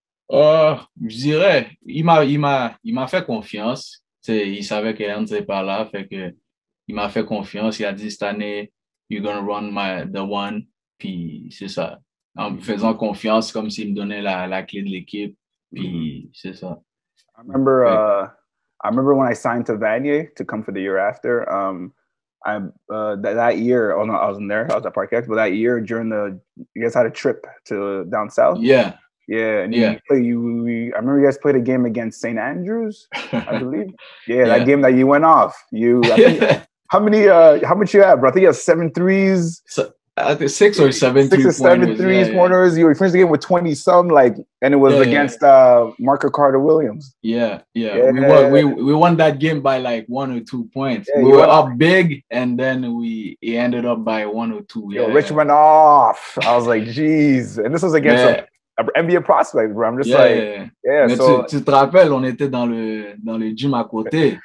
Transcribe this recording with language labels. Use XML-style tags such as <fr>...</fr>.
<fr>Je dirais, il m'a fait confiance. T'sais, il savait que Andy n'était pas là, fait que il m'a fait confiance. Il a dit cette année,</fr> <en>you're going to run the one.</en> <fr>Puis c'est ça. En me faisant confiance, comme s'il me donnait la clé de l'équipe. Puis c'est ça.</fr> <en>I remember when I signed to Vanier to come for the year after. That year, oh no, I wasn't there. I was at Parquet, but that year during you guys had a trip to down south. Yeah. And I remember you guys played a game against St. Andrews, I believe. Yeah, that game that you went off. You, I mean, how many? How much you have, bro? I think you have seven threes. So, Six or seven three-pointers. You finished the game with 20-some, like, and it was against Marco Carter Williams. We won that game by, like, 1 or 2 points. Yeah, we were up big, and then he ended up by 1 or 2. Yeah. Yo, Rich went off. I was like, jeez. And this was against NBA prospect, bro. I'm just</en> <fr>Tu te rappelles, on était dans le gym à côté.</fr>